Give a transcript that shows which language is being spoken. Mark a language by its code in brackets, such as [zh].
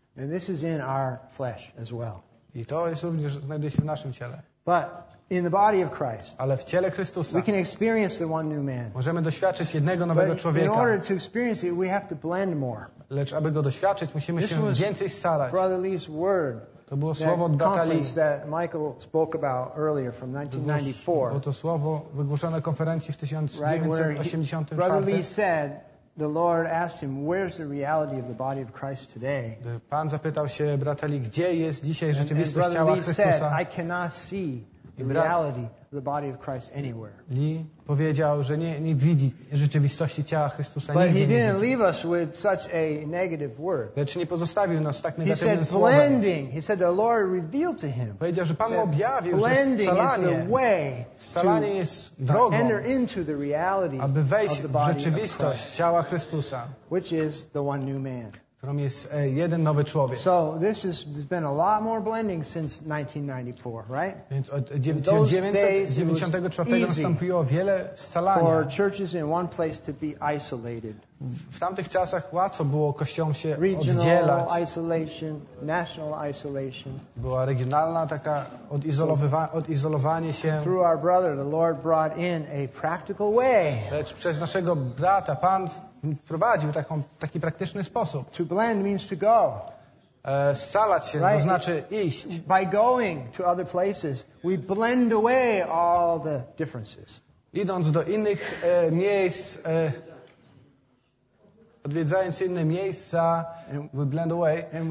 [en] And this is in our flesh as well. [pl] I to jest również znajduje się w naszym ciele. [en] But in the body of Christ, [pl] ale w ciele Chrystusa, [en] we can experience the one new man. [pl] Możemy doświadczyć jednego nowego człowieka. [en] In order to experience it, we have to blend more. [pl] Lecz aby go doświadczyć, musimy się więcej starać. [en] Brother Lee's word. [pl] To było słowo od Batalii. [en] That Michael spoke about earlier from 1994. [pl] Było to słowo wygłoszone na konferencji w 1984. [en] Brother Lee said, the Lord asked him, "Where's the reality of the body of Christ today?" [pl] Pan zapytał się brata Lee, gdzie jest dzisiaj rzeczywistość ciała Chrystusa? [en] And Brother Lee said, "I cannot see the reality of the body of Christ anywhere." [pl] Lee powiedział, że nie widzi rzeczywistości ciała Chrystusa nigdzie. [en] But he didn't leave us with such a negative word. [pl] Lecz nie pozostawił nas tak negatywnym słowem. [en] He said, "Blending." He said, "The Lord revealed to him." [pl] Powiedział, że Pan objawił, że [en] blending is the way. [pl] Scalanie jest drogą. [en] Enter into the reality. [pl] Aby wejść w rzeczywistość ciała Chrystusa. [en] Which is the one new man. [pl] którą jest jeden nowy człowiek. [en] So this is, there's been a lot more blending since 1994, right? [pl] Więc od 1994 nastąpiło wiele scalania. [en] For churches in one place to be isolated. [pl] W tamtych czasach łatwo było kościołom się oddzielać. [en] Isolation, national isolation. [pl] Była regionalna taka odizolowanie się. [en] Through our brother, the Lord brought in a practical way. [pl] Lecz przez naszego brata Pan wprowadził taki praktyczny sposób. [en] To blend means to go. [pl] Scalać się, [en] right? [pl] To znaczy iść. [en] By going to other places, we blend away all the differences. [pl] Idąc do innych miejsc, odwiedzając inne miejsca, [en] we blend away.